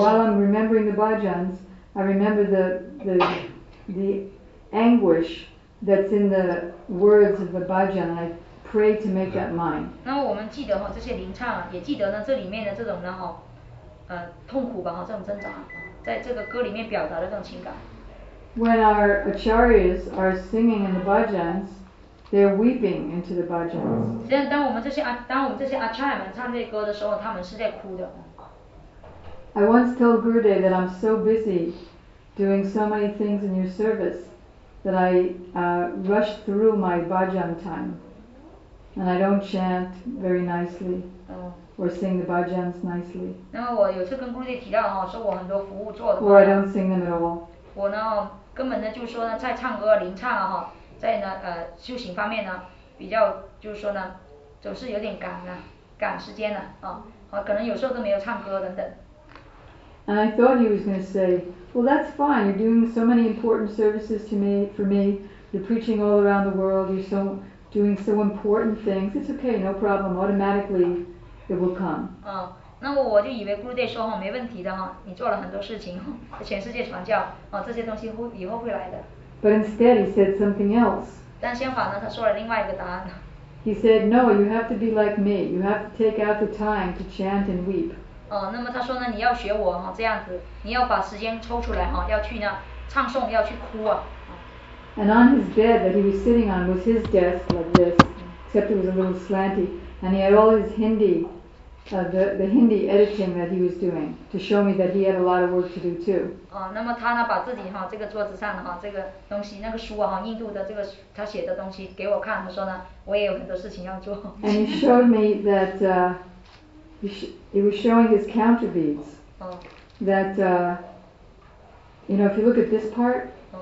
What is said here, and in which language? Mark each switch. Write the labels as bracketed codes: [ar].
[en] And while I'm remembering the bhajans, I remember the anguish that's in the words of the bhajan. I pray to make that mine. [zh] 那我们记得哈，这些灵唱也记得呢，这里面的这种呢哈，痛苦吧哈，这种挣扎，在这个歌里面表达的这种情感。 [en] When our acharyas are singing in the bhajans, they're weeping into the bhajans. [zh] 实际上，当我们这些acharya 们唱这歌的时候，他们是在哭的。 [en] I once told Gurudev that I'm so busy doing so many things in your service that I rush through my bhajan time, and I don't chant very nicely or sing the bhajans nicely. [zh] 那么我有次跟 Gurudev 提到哈，说我很多服务做的。 [en] Or I don't sing them at all. [zh] 我呢？根本呢，就是说呢，在唱歌、临唱啊，哈，在呢，修行方面呢，比较就是说呢，总是有点赶呢、啊，赶时间呢、啊，可能有时候都没有唱歌等等。 [en] And I thought he was going to say, well, that's fine. You're doing so many important services to me, for me. You're preaching all around the world. You're so doing so important things. It's okay, no problem. Automatically, it will come. [zh] 那么我就以为 Gurudev 说哈没问题的哈，你做了很多事情，全世界传教，这些东西会以后会来的。 [en] But instead he said something else. [zh] 但相反呢，他说了另外一个答案。 [en] He said, no, you have to be like me. You have to take out the time to chant and weep. [zh] 那么他说呢，你要学我哈这样子，你要把时间抽出来哈，要去呢唱诵，要去哭啊。 [en] And on his bed that he was sitting on was his desk like this, except it was a little slanty, and he had all his Hindi. The Hindi editing that he was doing to show me that he had a lot of work to do too. [zh] 那么他呢把自己哈这个桌子上的哈这个东西那个书哈印度的这个他写的东西给我看，他说呢我也有很多事情要做。 [en] And he showed me that he was showing his counter beads. That you know if you look at this part.